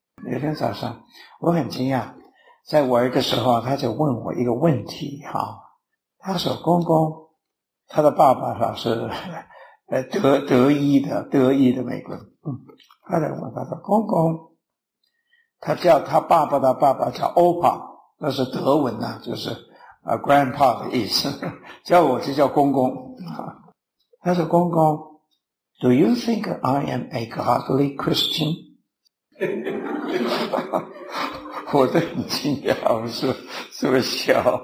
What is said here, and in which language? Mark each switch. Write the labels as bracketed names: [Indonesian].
[Chinese] 有一天早上，我很惊讶，在玩的时候，他就问我一个问题他说：“公公，他的爸爸是德裔的美国人，他在问他说：公公，他叫他爸爸的爸爸叫欧巴，那是德文就是。” grandpa 的意思，叫我就叫公公他说公公 [English] Do you think I am a godly Christian？ [Chinese] 我都很惊讶，我说这么小